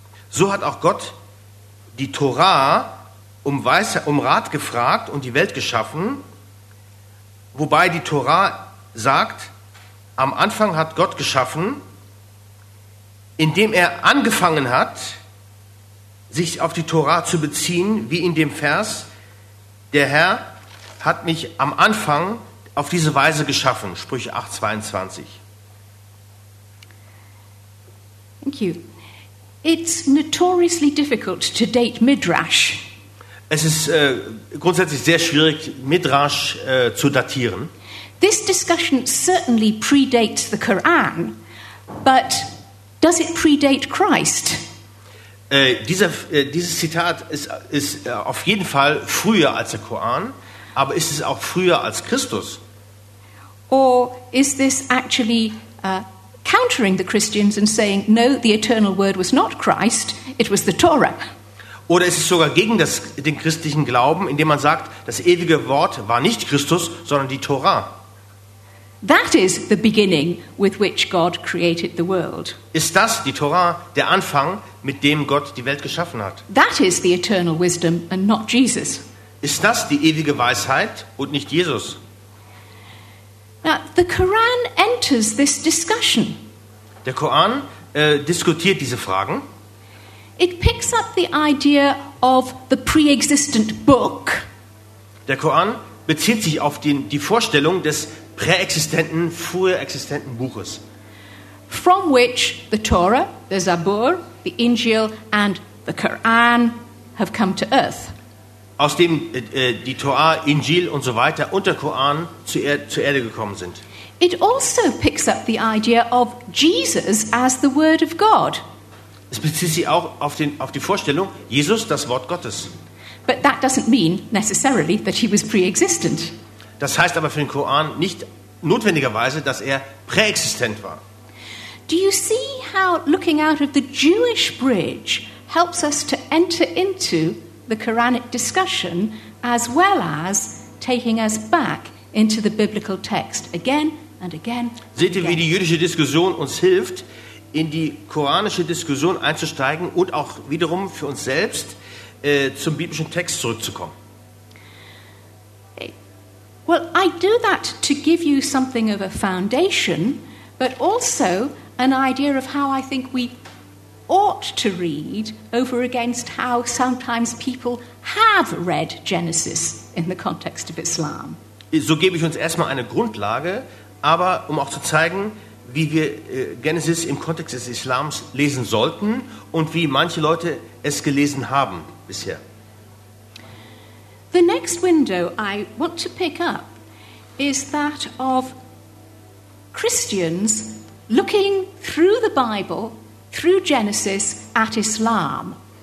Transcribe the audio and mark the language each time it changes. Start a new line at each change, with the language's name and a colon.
German: So hat auch Gott die Torah um Rat gefragt und die Welt geschaffen, wobei die Torah sagt, am Anfang hat Gott geschaffen, indem er angefangen hat, sich auf die Torah zu beziehen, wie in dem Vers, der Herr hat mich am Anfang auf diese Weise geschaffen, Sprüche 8:22.
English: Thank you. It's notoriously difficult to date Midrash.
German: Es ist grundsätzlich sehr schwierig, Midrash zu datieren.
English: This discussion certainly predates the Quran, but does it predate Christ?
German: Dieses Zitat ist auf jeden Fall früher als der Koran, aber ist es auch früher als Christus?
English: Or is this actually countering the Christians and saying, no, the eternal word was not Christ, it was the Torah?
German: Oder ist es sogar gegen den christlichen Glauben, indem man sagt, das ewige Wort war nicht Christus, sondern die Torah?
English: That is the beginning with which God created the world.
German: Ist das, die Torah, der Anfang, mit dem Gott die Welt geschaffen hat?
English: That is the eternal wisdom and not Jesus.
German: Ist das die ewige Weisheit und nicht Jesus?
English: Now, the Quran enters this discussion.
German: Der Koran diskutiert diese Fragen.
English: It picks up the idea of the pre-existent book.
German: Der Koran bezieht sich auf die Vorstellung des präexistenten, früher existenten Buches.
English: From which the Torah, the Zabur, the Injil and the Quran have come to earth.
German: Aus dem die Torah, Injil und so weiter und der Koran zur Erde gekommen sind.
English: It also picks up the idea of Jesus as the Word of God.
German: Es bezieht sich auch auf die Vorstellung, Jesus, das Wort Gottes.
English: But that doesn't mean necessarily that he was pre-existent.
German: Das heißt aber für den Koran nicht notwendigerweise, dass präexistent war.
English: Do you see how looking out of the Jewish bridge helps us to enter into the Quranic discussion as well as taking us back into the biblical text again and again?
German: Seht ihr, wie die jüdische Diskussion uns hilft, in die koranische Diskussion einzusteigen und auch wiederum für uns selbst zum biblischen Text zurückzukommen?
English: Well, I do that to give you something of a foundation, but also an idea of how I think we ought to read over against how sometimes people have read Genesis in the context of Islam.
German: So gebe ich uns erstmal eine Grundlage, aber um auch zu zeigen, wie wir Genesis im Kontext des Islams lesen sollten und wie manche Leute es gelesen haben bisher.
English: The next window I want to pick up is that of Christians looking through the Bible, through Genesis, at Islam.